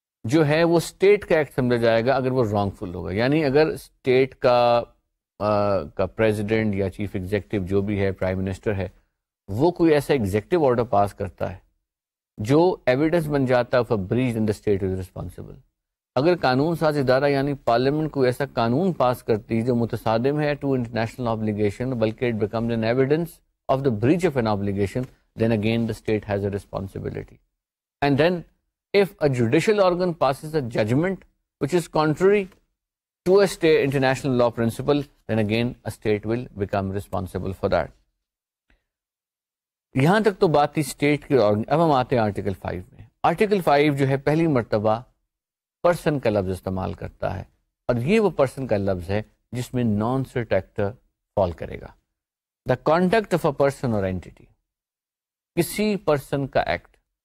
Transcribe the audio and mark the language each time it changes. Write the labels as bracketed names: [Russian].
[Urdu] جو ہے وہ اسٹیٹ کا ایکٹ سمجھا جائے گا اگر وہ رانگ فل ہوگا. یعنی اگر اسٹیٹ کا پریزیڈنٹ یا چیف ایگزیکٹو جو بھی ہے, پرائم منسٹر ہے, وہ کوئی ایسا ایگزیکٹو آرڈر پاس کرتا ہے جو ایویڈنس بن جاتا ہے [English] For breach in the state is responsible. [Urdu] اگر قانون ساز ادارہ یعنی پارلیمنٹ کوئی ایسا قانون پاس کرتی جو متصادم ہے ٹو انٹرنیشنل آبلیگیشن, بلکہ [English] It becomes an evidence of the breach of an obligation, then again the state has a responsibility. And then if a judicial organ passes a judgment which is contrary to a state international law principle, then again a state will become responsible for that. [Urdu] یہاں تک تو بات تھی state کی. اب ہم آتے ہیں آرٹیکل 5 میں. آرٹیکل 5 جو ہے پہلی مرتبہ پرسن کا لفظ استعمال کرتا ہے, اور یہ وہ پرسن کا لفظ ہے جس میں نان سٹیٹ ایکٹر فال کرے گا. [English] the conduct of a person اور entity, [Urdu] کسی پرسن کا ایکٹ.